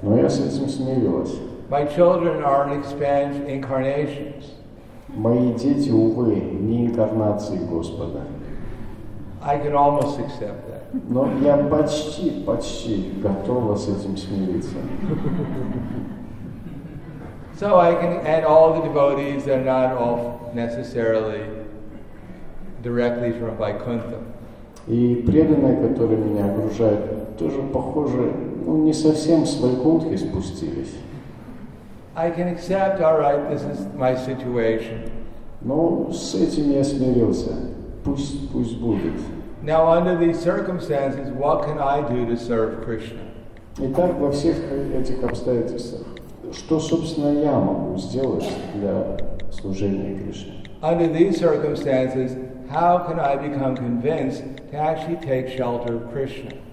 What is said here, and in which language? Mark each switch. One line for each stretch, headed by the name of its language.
Russian: Но я с этим смирилась.
English: My children are an expanded incarnations.
Russian: Мои дети, увы, не инкарнации Господа.
English: I can almost accept that.
Russian: Но я почти готова с этим смириться.
English: So I can add all the devotees that are not all necessarily directly from Vaikuntha.
Russian: И преданные, которые меня окружают, тоже похоже, ну не совсем с Вайкунтхи спустились.
English: I can accept, all right, this is my situation.
Russian: Ну, с этим я смирился. Пусть будет.
English: Now under these circumstances, what can I do to serve Krishna?
Russian: Итак, во всех этих обстоятельствах, что, собственно, я могу сделать для служения Кришне?
English: Under these circumstances, how can I become convinced to actually take shelter of Krishna?